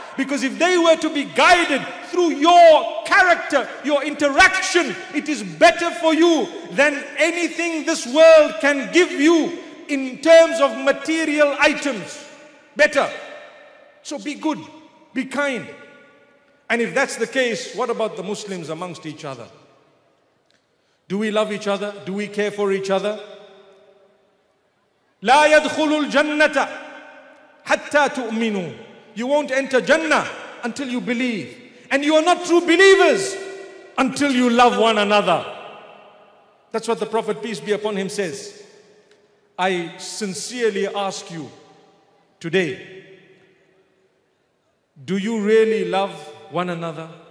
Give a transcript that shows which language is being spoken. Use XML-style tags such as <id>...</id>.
<en>Because if they were to be guided through your character, your interaction, it is better for you than anything this world can give you in terms of material items. Better. So be good, be kind. And if that's the case, what about the Muslims amongst each other? Do we love each other? Do we care for each other?</en> <ar>لا يدخل الجنة حتى تؤمنوا.</ar> <en>You won't enter Jannah until you believe. And you are not true believers until you love one another. That's what the Prophet, peace be upon him, says. I sincerely ask you today, do you really love one another?</en>